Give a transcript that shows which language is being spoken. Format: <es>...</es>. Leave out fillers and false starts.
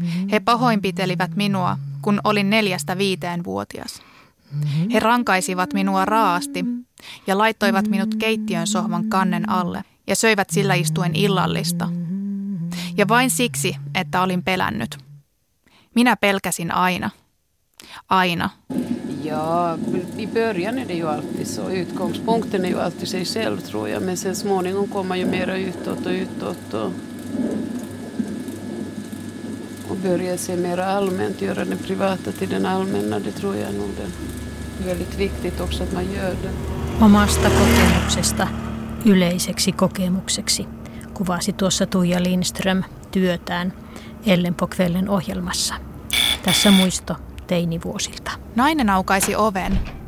<fi>He pahoinpitelivät minua, kun olin 4–5-vuotias. He rankaisivat minua raaasti ja laittoivat minut keittiön sohvan kannen alle ja söivät sillä istuen illallista. Ja vain siksi, että olin pelännyt. Minä pelkäsin aina. Aina.</fi> <sv>Ja i början är det ju alltid så. Utgångspunkten är ju alltid sig själv, tror jag. Men sen småningom kommer ju mera utåt och utåt. Och börjar se mer allmänt, göra det privata till den allmänna. Det tror jag nog det är väldigt viktigt också att man gör det.</sv> <fi>Omasta kokemuksesta yleiseksi kokemukseksi kuvasi tuossa Tuija Lindström työtään Ellen Pokvellen ohjelmassa. Tässä muisto teinivuosilta. Nainen aukaisi oven.</fi>